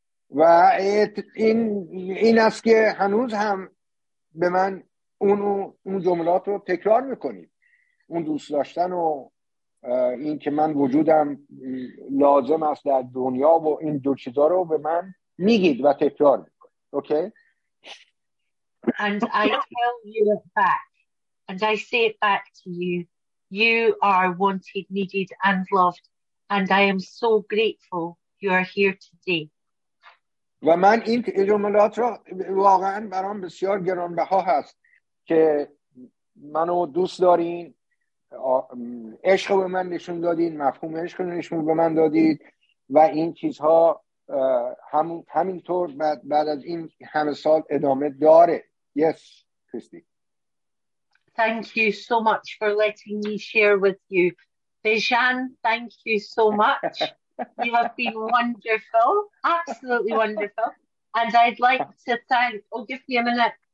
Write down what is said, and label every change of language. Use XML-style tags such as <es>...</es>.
<fa>و این است که هنوز هم به من اون جملات رو تکرار میکنیم، اون دوست داشتن و این که من وجودم لازم است در دنیا و این دو چیزا رو به من میگید و تکرار میکنید. اوکی؟</fa> <en>And I tell you back, and I say it back to you, you are wanted, needed and loved, and I am so grateful you are here today.</en> <fa>و من این جملات را واقعا برام بسیار گرانبها هست که منو دوست دارین، عشق به من نشون دادین، مفهوم عشق رو نشون به من دادید و این چیزها همینطور بعد از این همه سال ادامه داره.</fa> <en>Yes, Christy. Thank you so much for letting me share with you. Bijan, thank you so much. You have been wonderful, absolutely wonderful. And I'd like to thank, oh, give me a minute.</en>